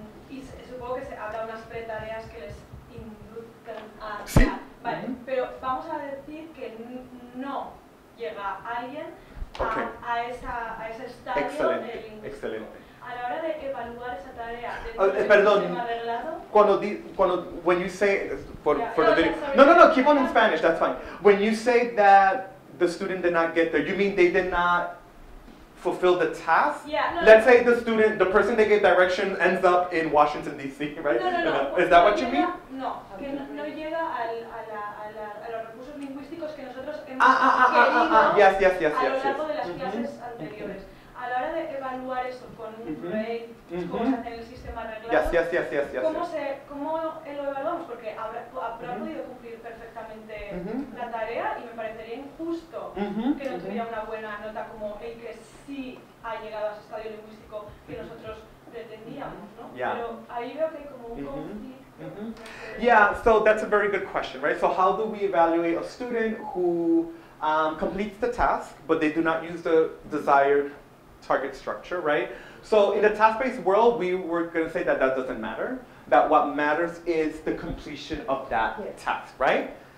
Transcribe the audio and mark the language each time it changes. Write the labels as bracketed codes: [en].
[es] y supongo que habrá unas pretareas que les induzcan a... Sí. Vale, pero vamos a decir que no llega alguien a ese estadio. Excelente, A la hora de evaluar esa tarea, perdón, sistema arreglado, cuando [en] when you say for the video, no, keep on in Spanish, that's fine. When you say that the student did not get there, you mean they did not fulfill the task? Let's say the person they gave direction ends up in Washington D.C., right? No. Is that [es] no [en] what [es] llega, [en] you mean? [es] No, que no llega a los recursos lingüísticos que nosotros hemos querido a lo largo de las clases anteriores. A la hora de evaluar eso con un grade, cómo se hace en el sistema arreglado, ¿cómo lo evaluamos? Porque habrá podido cumplir perfectamente la tarea y me parecería injusto que no tuviera una buena nota como el que sí ha llegado a ese estadio lingüístico que nosotros pretendíamos, ¿no? [en] Yeah. [es] Pero ahí veo que hay como un conflicto. [en] Yeah, so that's a very good question, right? So how do we evaluate a student who completes the task, but they do not use the desired target structure, right? So in the task-based world, we were going to say that doesn't matter, that what matters is the completion of that task, right?